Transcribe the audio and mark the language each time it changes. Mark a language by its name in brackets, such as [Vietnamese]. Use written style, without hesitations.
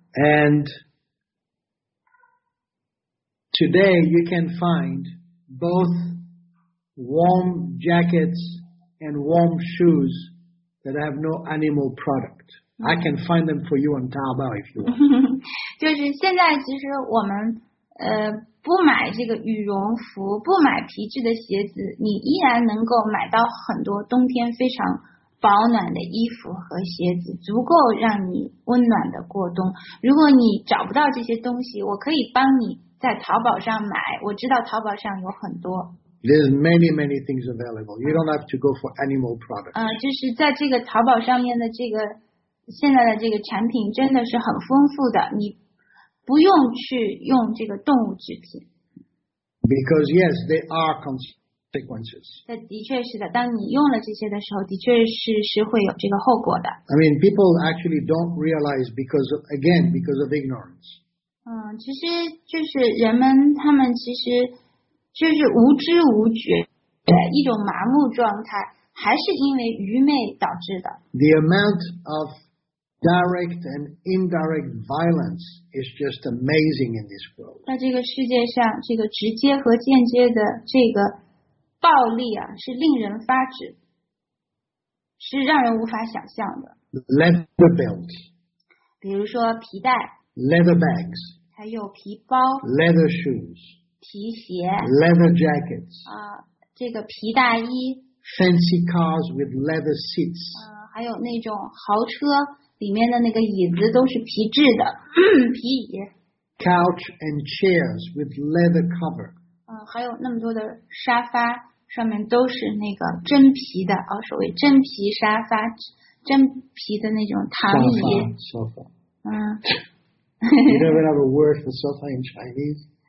[English] And today you can find both warm jackets and warm shoes that have no animal product. I can find them for you on Taobao if you want. [Chinese] 就是现在其实我们不买这个羽绒服，不买皮质的鞋子，你依然能够买到很多冬天非常保暖的衣服和鞋子，足够让你温暖的过冬。如果你找不到这些东西，我可以帮你在淘宝上买，我知道淘宝上有很多。 [English] There's many, many things available. You don't have to go for animal products. [Chinese] 就是在这个淘宝上面的这个现在的这个产品真的是很丰富的，你不用去用这个动物制品。 [English] Because yes, they are consequences. [Chinese] 的确是的，当你用了这些的时候，的确是会有这个后果的。 [English] I mean, people actually don't realize because of ignorance. [Chinese] 其实就是人们他们其实。就是无知无觉的一种麻木状态，还是因为愚昧导致的。 [English] The amount of direct and indirect violence is just amazing in this world. [Chinese] 在这个世界上，这个直接和间接的这个暴力啊，是令人发指，是让人无法想象的。 [English] Leather belt. [Chinese] 比如说皮带。 [English] Leather bags. [Chinese] 还有皮包。 [English] Leather shoes. [Chinese] 皮鞋 [English] ，leather jackets， [Chinese] 这个皮大衣 [English] ，fancy cars with leather seats， [Chinese] 还有那种豪车里面的那个椅子都是皮质的皮椅 [English] ，couch and chairs with leather cover， [Chinese] 还有那么多的沙发上面都是那个真皮的，所谓真皮沙发，真皮的那种躺椅 [English] ，sofa， you don't have a word for sofa in Chinese。